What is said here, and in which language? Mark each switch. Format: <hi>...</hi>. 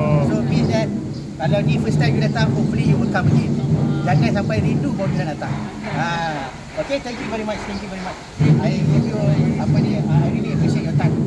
<en>So mean that,</en> <ms>kalau ni</ms> <en>first time you datang, hopefully you will come again.</en> <ms>Jangan sampai rindu baru dah datang.</ms> <en>Okay, thank you very much. Thank you very much. I give you</en> <ms>apa ni,</ms> <en>I really appreciate your time.</en>